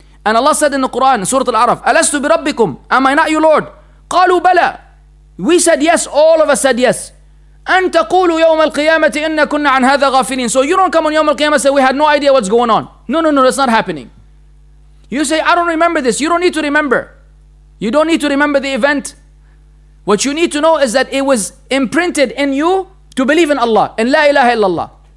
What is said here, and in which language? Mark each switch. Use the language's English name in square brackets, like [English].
[English] And Allah said in the Quran, Surah Al-Araf, Alastu bi rabbikum, am I not your Lord? Qalu bala. We said yes, all of us said yes. [Arabic] أنت قول يوم القيامة إن كنا عن هذا غافلين. [English] So you don't come on يوم القيامة and say we had no idea what's going on. No, that's not happening. You say, I don't remember this. You don't need to remember. You don't need to remember the event. What you need to know is that it was imprinted in you to believe in Allah, in La ilaha illallah.